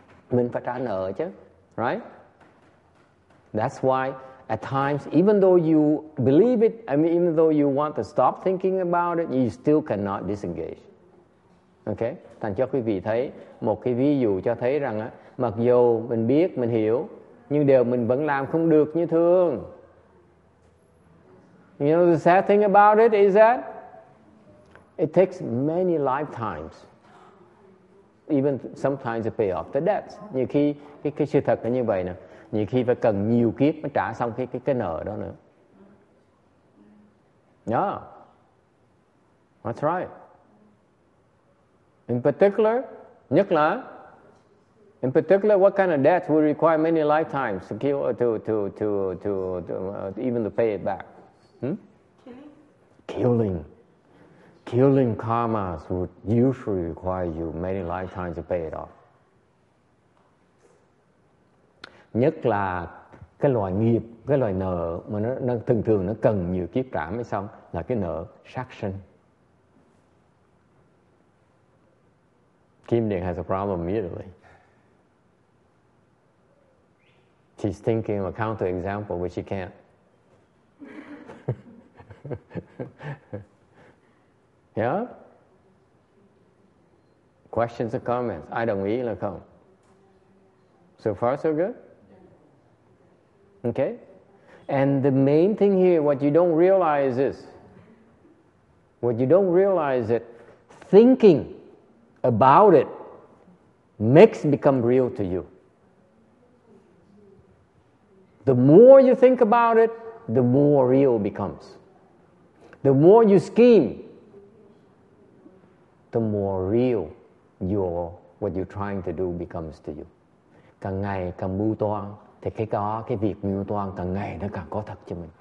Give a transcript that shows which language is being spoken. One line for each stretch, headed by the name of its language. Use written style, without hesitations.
Vietnamese: Mình phải trả nợ chứ,
English: right? That's why at times, even though you believe it, I mean, even though you want to stop thinking about it, you still cannot disengage. Okay?
Vietnamese: Thành cho quý vị thấy một cái ví dụ cho thấy rằng á, mặc dù mình biết, mình hiểu, nhưng điều mình vẫn làm không được như thường.
English: You know the sad thing about it is that it takes many lifetimes, even sometimes to pay off the debts.
Vietnamese: Nhiều khi, cái sự thật là như vậy nè. Nhiều khi phải cần nhiều kiếp mới trả xong cái nợ đó nữa.
English: Yeah. That's right. In particular, what kind of debt will require many lifetimes to even to pay it back? Killing. Killing karmas would usually require you many lifetimes to pay it off.
Vietnamese: Nhất là cái loại nghiệp, cái loại nợ mà nó thường thường nó cần nhiều kiếp trả mới xong là cái nợ sát sinh.
English: Kim Điện has a problem immediately. She's thinking of a counter example, but she can't. Yeah? Questions or comments? I don't eat or come. So far, so good? Okay? And the main thing here, what you don't realize is, thinking about it makes it become real to you. The more you think about it, the more real it becomes. The more you scheme, the more real your what you're trying to do becomes to you.
Vietnamese: Càng ngày càng mưu toan, thì cái đó, cái việc mưu toan càng ngày nó càng có thật cho mình.